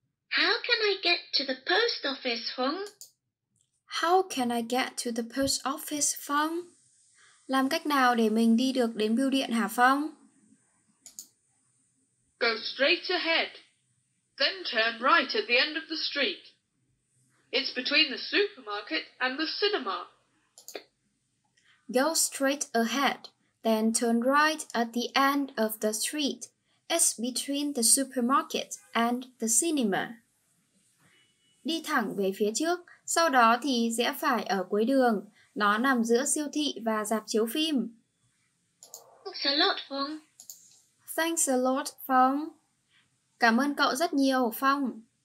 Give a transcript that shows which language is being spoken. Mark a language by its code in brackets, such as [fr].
[en] How can I get to the post office, Hung? How can I get to the post office, Phong? Làm cách nào để mình đi được đến bưu điện Hà Phong? Go straight ahead. Then turn right at the end of the street. It's between the supermarket and the cinema. Go straight ahead. Then turn right at the end of the street. It's between the supermarket and the cinema. [vi] Đi thẳng về phía trước, sau đó thì rẽ phải ở cuối đường. Nó nằm giữa siêu thị và rạp chiếu phim. [en] Thanks a lot, Phong. Thanks a lot, Phong. [vi] Cảm ơn cậu rất nhiều, Phong.